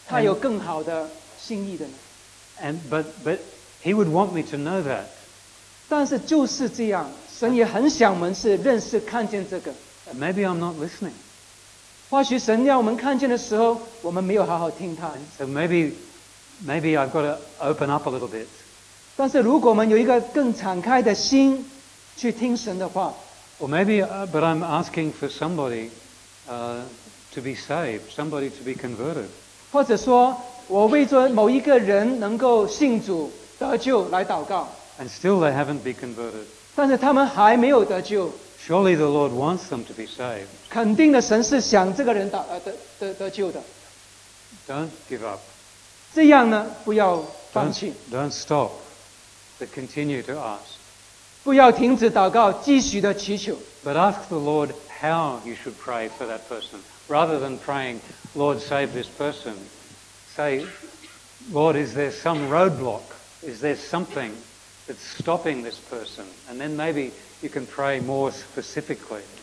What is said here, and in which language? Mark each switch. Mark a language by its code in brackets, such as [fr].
[zh] 会不会我们一直为某一件事情祷告，但是神的心意不是要给我们这个事情成就，他有更好的心意的呢？ [en] But He would want me to know that. [zh] 但是就是这样。神也很想我们是认识看见这个。 [en] Maybe I'm not listening. [zh] 或许神要我们看见的时候，我们没有好好听他。 [en] So maybe I've got to open up a little bit. [zh] 但是如果我们有一个更敞开的心去听神的话。 [en] Or maybe, but I'm asking for somebody to be saved, somebody to be converted. [zh] 或者说，我为着某一个人能够信主得救来祷告。 [en] And still they haven't been converted. [zh] 但是他们还没有得救。 [en] Surely the Lord wants them to be saved. [zh] 肯定的神是想这个人得救的。 [en] Don't give up. [zh] 这样呢，不要放弃。 [en] Don't stop, but continue to ask. [zh] 不要停止祷告，继续的祈求。 [en] But ask the Lord how you should pray for that person, rather than praying, Lord, save this person. Say, Lord, is there some roadblock? Is there something that's stopping this person? And then maybe you can pray more specifically.